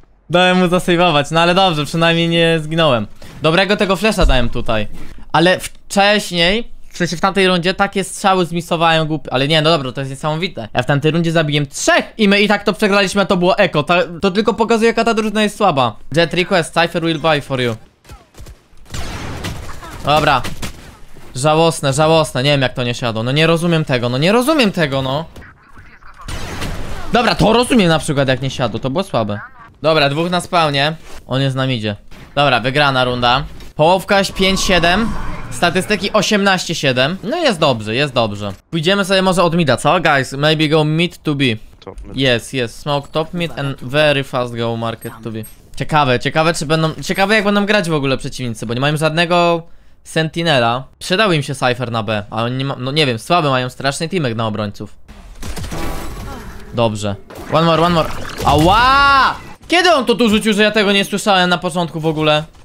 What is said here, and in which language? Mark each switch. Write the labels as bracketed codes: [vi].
[pl] Dałem mu zasejwować, no ale dobrze, przynajmniej nie zginąłem. Dobrego tego flesza dałem tutaj. Ale wcześniej, w sensie w tamtej rundzie, takie strzały zmisowałem głupie. Ale nie, no dobra, to jest niesamowite. Ja w tamtej rundzie zabiłem 3 i my i tak to przegraliśmy, a to było eko. To tylko pokazuje, jaka ta drużyna jest słaba. [en] Jet request, Cypher will buy for you. [pl] Dobra. Żałosne, żałosne, nie wiem jak to nie siadło. No nie rozumiem tego, no nie rozumiem tego, no. Dobra, to rozumiem na przykład jak nie siadło, to było słabe. Dobra, 2 na spawnie. On jest z nami idzie. Dobra, wygrana runda. Połówka 5-7. Statystyki 18-7. No jest dobrze, jest dobrze. Pójdziemy sobie może od mida, co? [en] Guys, maybe go mid to B. Yes, yes, smoke top mid and very fast go market to B. [pl] Ciekawe, ciekawe czy będą... Ciekawe jak będą grać w ogóle przeciwnicy, bo nie mają żadnego sentinela. Przydał im się Cypher na B, ale oni nie ma... No nie wiem, słaby mają straszny teamek na obrońców. Dobrze. [en] One more, [pl] ała! Kiedy on to tu rzucił, że ja tego nie słyszałem na początku w ogóle?